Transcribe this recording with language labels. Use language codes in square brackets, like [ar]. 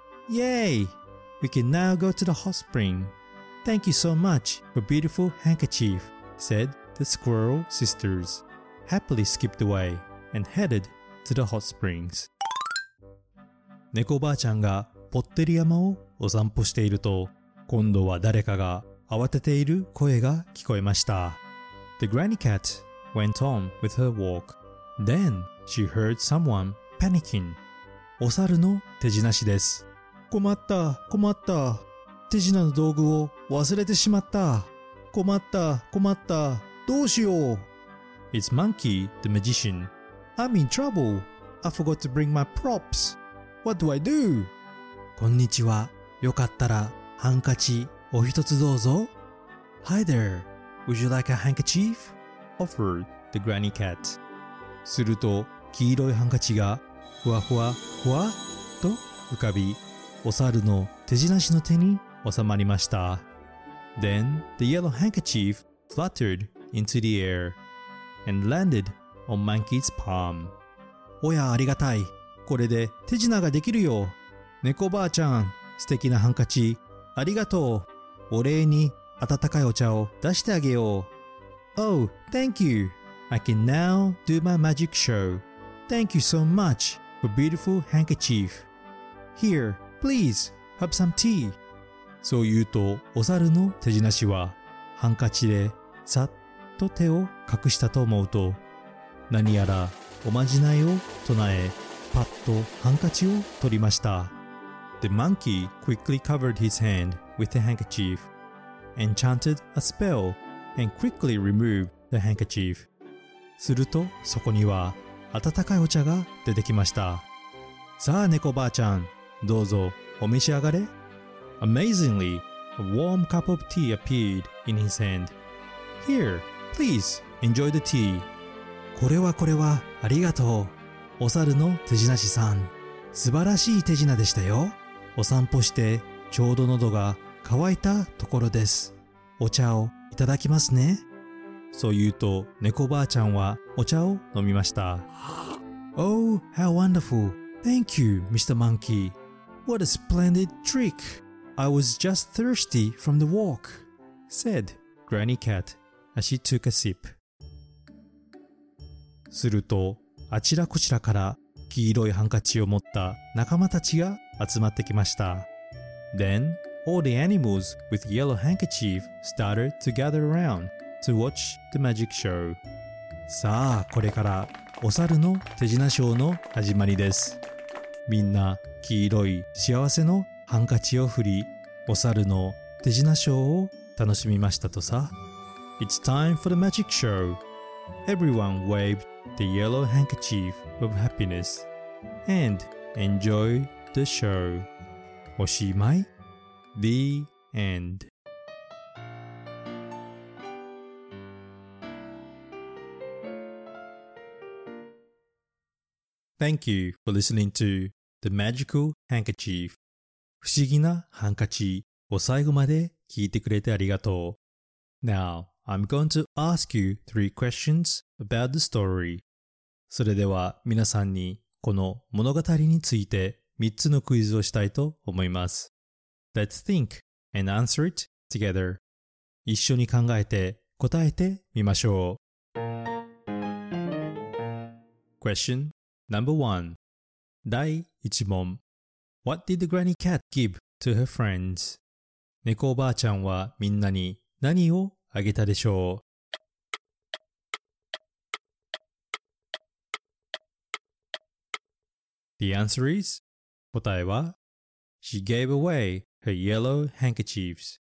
[en] Yay! We can now go to the hot spring. Thank you so much for beautiful handkerchief, said the squirrel sisters. Happily skipped away and headed to the hot springs. [ja] 猫ばあちゃんがぽってり山をお散歩していると、今度は誰かが慌てている声が聞こえました。 [en] The granny cat went on with her walk. Then she heard someone panicking. [ja] お猿の手品師です。困った、困った。手品の道具を忘れてしまった。困った、困った。どうしよう。 [en] It's Monkey the magician. I'm in trouble. I forgot to bring my props. What do I do? [ja] こんにちは。よかったらハンカチお一つどうぞ。 [en] Hi there. Would you like a handkerchief? Offered the granny cat. [ja] すると黄色いハンカチがふわふわふわと浮かび、お猿の手品師の手に収まりました。 [en] Then the yellow handkerchief fluttered into the air and landed on Monkey's palm. [ja] おや、ありがたい。これで手品ができるよ。猫ばあちゃん、素敵なハンカチありがとう。お礼に温かいお茶を出してあげよう。 [en] Oh, thank youI can now do my magic show. Thank you so much for beautiful handkerchief. Here, Please, have some tea. [ja] そう言うと、お猿の手品師は、ハンカチでさっと手を隠したと思うと、何やらおまじないを唱え、パッとハンカチを取りました。 [en] The monkey quickly covered his hand with the handkerchief, and chanted a spell, and quickly removed the handkerchief. [ja] すると、そこには、温かいお茶が出てきました。さあ、猫ばあちゃん、どうぞ、お召し上がれ。 [en] Amazingly, a warm cup of tea appeared in his hand. Here, please, enjoy the tea. [ja] これはこれは、ありがとう。お猿の手品師さん、素晴らしい手品でしたよ。お散歩して、ちょうど喉が渇いたところです。お茶をいただきますね。そう言うと、猫ばあちゃんはお茶を飲みました。 [en] Oh, how wonderful. Thank you, Mr. Monkey. What a splendid trick. I was just thirsty from the walk, said Granny Cat as she took a sip. [ja] すると、あちらこちらから黄色いハンカチを持った仲間たちが集まってきました。 [en] Then, all the animals with yellow handkerchief started to gather around. To watch the magic show. [ja] さあ、これからお猿の手品ショーの始まりです。みんな黄色い幸せのハンカチを振り、お猿の手品ショーを楽しみましたとさ。 [en] It's time for the magic show. Everyone waved the yellow handkerchief of happiness and enjoy the show. [ja] おしまい。 [en] The end. Thank you for listening to The Magical Handkerchief. [ja] 不思議なハンカチを最後まで聞いてくれてありがとう。 [en] Now, I'm going to ask you three questions about the story. [ja] それでは皆さんにこの物語について3つのクイズをしたいと思います。 [en] Let's think and answer it together. [ja] 一緒に考えて答えてみましょう。 [en] Question. Number one. [ja] 第一問。 [en] What did the granny cat give to her friends? [ja] 猫おばあちゃんはみんなに何をあげたでしょう? [en] The answer is, [ja] 答えは、 [en] She gave away her yellow handkerchiefs.